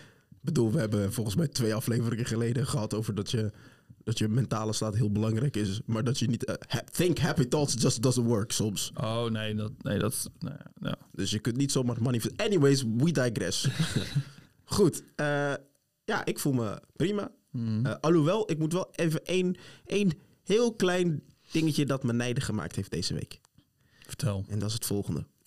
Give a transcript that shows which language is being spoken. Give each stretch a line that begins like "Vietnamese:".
Dutch: Ik bedoel, we hebben volgens mij 2 afleveringen geleden gehad over dat je mentale staat heel belangrijk is. Maar dat je niet...
English: think happy thoughts just doesn't work
Dutch: soms. Oh, nee. Nee. Dus je kunt niet zomaar manifesteren.
English: Anyways, we digress.
Dutch: Goed. Ik voel me prima. Alhoewel, ik moet wel even één heel klein dingetje dat me nijdig gemaakt heeft deze week. Vertel. En dat is het volgende.